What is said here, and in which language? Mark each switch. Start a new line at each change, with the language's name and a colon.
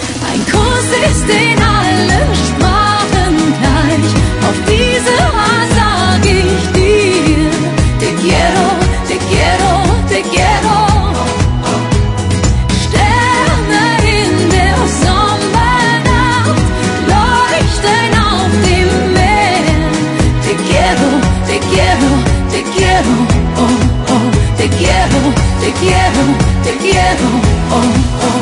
German: Ein Kuss ist in allen Sprachen gleich. Auf diese Art sag ich dir.
Spanish: Te quiero, te quiero, te quiero.
German: Sterne in der Sommernacht leuchten auf dem Meer.
Spanish: Te quiero, te quiero, te quiero. Te quiero, te quiero, te quiero, oh.